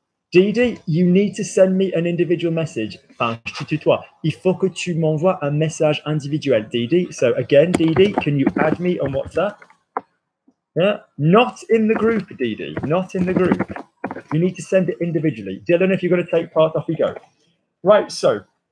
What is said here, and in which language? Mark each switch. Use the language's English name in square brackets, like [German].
[English] Didi, you need to send me an individual message. [French] Enfin, je tutoie. Il faut que tu m'envoies un message individuel, Didi. [English] So again, Didi, can you add me on WhatsApp? Yeah, not in the group, Didi. Not in the group. You need to send it individually. Dylan, if you're going to take part, off you go. Right, so.